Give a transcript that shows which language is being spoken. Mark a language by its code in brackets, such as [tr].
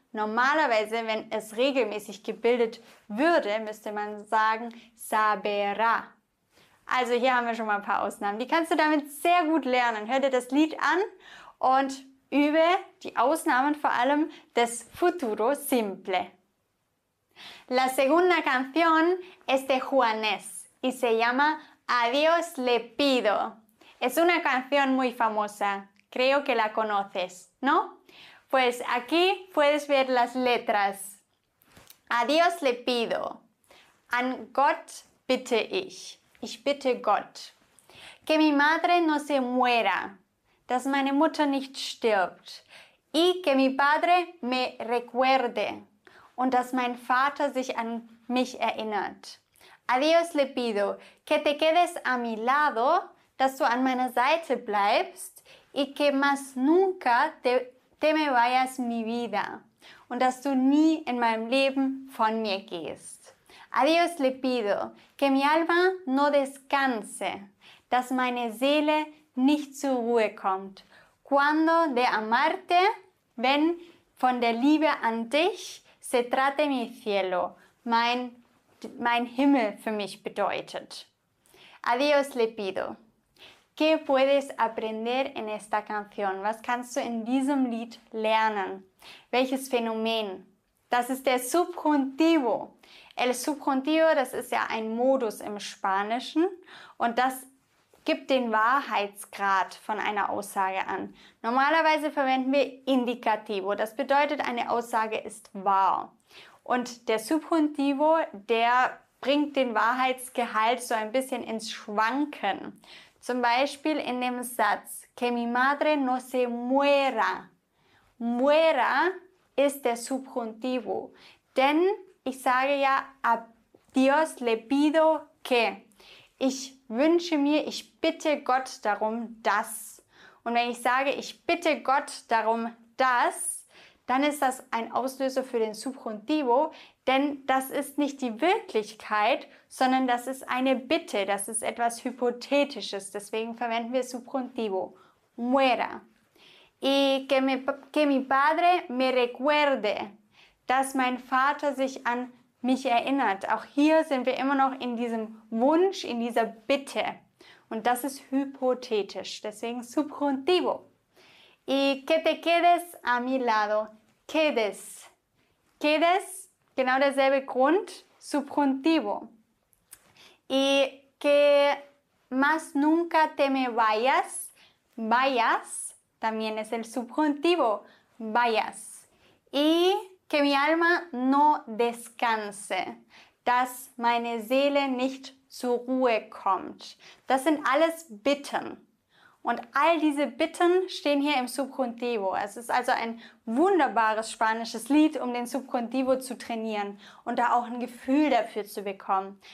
[de] Normalerweise, wenn es regelmäßig gebildet würde, müsste man sagen saberá. Also hier haben wir schon mal ein paar Ausnahmen. Die kannst du damit sehr gut lernen. Hör dir das Lied an und übe die Ausnahmen vor allem des Futuro Simple. [es] La segunda canción es de Juanes y se llama Adiós le pido. Es una canción muy famosa. Creo que la conoces, ¿no? Pues aquí puedes ver las letras. Adiós le pido. [de] An Gott bitte ich. Ich bitte Gott, [es] que mi madre no se muera, [de] dass meine Mutter nicht stirbt, [es] y que mi padre me recuerde, [de] und dass mein Vater sich an mich erinnert. [es] Adiós le pido, que te quedes a mi lado, [de] dass du an meiner Seite bleibst, [es] y que más nunca te me vayas mi vida, [de] und dass du nie in meinem Leben von mir gehst. [es] Adiós le pido, que mi alma no descanse, [de] dass meine Seele nicht zur Ruhe kommt, [es] cuando de amarte, [de] wenn von der Liebe an dich, [es] se trate mi cielo, [de] mein Himmel für mich bedeutet. [es] Adiós le pido, ¿qué puedes aprender en esta canción? [de] Was kannst du in diesem Lied lernen? Welches Phänomen? Das ist der Subjuntivo. El Subjuntivo, das ist ja ein Modus im Spanischen und das gibt den Wahrheitsgrad von einer Aussage an. Normalerweise verwenden wir Indicativo, das bedeutet, eine Aussage ist wahr. Und der Subjuntivo, der bringt den Wahrheitsgehalt so ein bisschen ins Schwanken. Zum Beispiel in dem Satz, [es] que mi madre no se muera. [de] Muera ist der Subjuntivo, denn ich sage ja, [es] a Dios le pido que. [de] Ich wünsche mir, ich bitte Gott darum, dass. Und wenn ich sage, ich bitte Gott darum, dass, dann ist das ein Auslöser für den Subjuntivo, denn das ist nicht die Wirklichkeit, sondern das ist eine Bitte, das ist etwas Hypothetisches. Deswegen verwenden wir Subjuntivo. Muera. [es] Y que mi padre me recuerde. [de] Dass mein Vater sich an mich erinnert. Auch hier sind wir immer noch in diesem Wunsch, in dieser Bitte. Und das ist hypothetisch. Deswegen subjuntivo. [es] Y que te quedes a mi lado. Quedes. Quedes [de] Genau derselbe Grund, [es] subjuntivo. Y que más nunca te me vayas, vayas, también es el subjuntivo, vayas. Y que mi alma no descanse, [de] dass meine Seele nicht zur Ruhe kommt. Das sind alles Bitten. Und all diese Bitten stehen hier im Subjuntivo. Es ist also ein wunderbares spanisches Lied, um den Subjuntivo zu trainieren und da auch ein Gefühl dafür zu bekommen.